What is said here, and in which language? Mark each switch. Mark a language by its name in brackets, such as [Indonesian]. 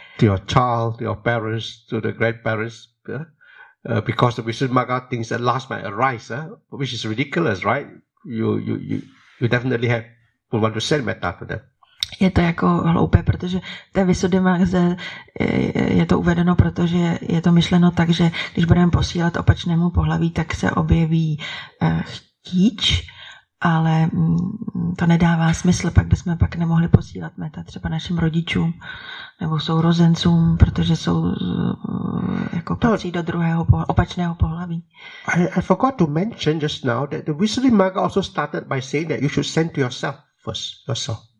[English] To your child, to your parents, to the grandparents, because the Visuddhimagga thinks that last might arise, which is ridiculous, right? You definitely have, would want to send metta to them. [Czech] Je to jako hloupé, protože té Visuddhimagge je to uvedeno, protože je to myšleno tak, že když budeme posílat opačnému pohlaví, tak se objeví chtíč, ale to nedává smysl, pak bychom pak nemohli posílat meta třeba našim rodičům nebo sourozencům, protože jsou jako patří do druhého opačného pohlaví. [English] I forgot to mention just now that the Visuddhimagga also started by saying that you should send to yourself first, yourself.